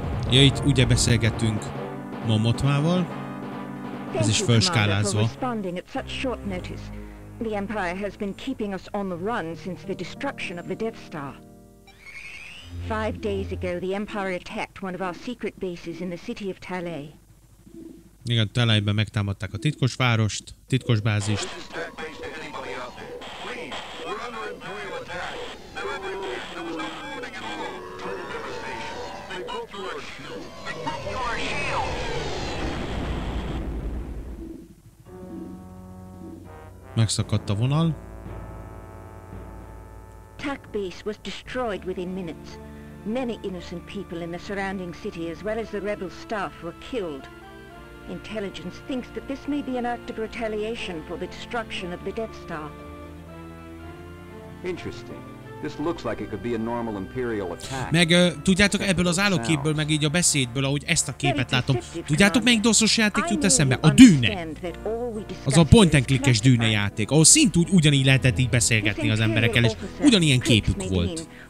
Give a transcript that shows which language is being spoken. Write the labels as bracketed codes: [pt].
[hu] Ja, itt ugye beszélgetünk Mon Mothmával. Ez is felskálázva. [en] Responding at such short notice. The Empire has been keeping us on the run since the destruction of the Death Star. 5 days ago, the Empire attacked one of our secret bases in the city of Talay. [hu] Igen, Talayban megtámadták a titkos várost, titkos bázist. Megszakadt a vonal. [en] Tak base was destroyed within minutes. Many innocent people in the surrounding city, as well as the rebel staff, were killed. Intelligence thinks that this may be an act of retaliation for the destruction of the Death Star. Interesting. This looks like it could be a normal Imperial attack. [hu] Meg tudjátok, ebből az állóképből, meg így a beszédből, ahogy ezt a képet látom, tudjátok, melyik DOS-os játék jut eszembe? A Dűne! Az a point-and-click-es Dűne játék, ahol szintúgy ugyanígy lehetett így beszélgetni az emberekkel, és ugyanilyen képük volt.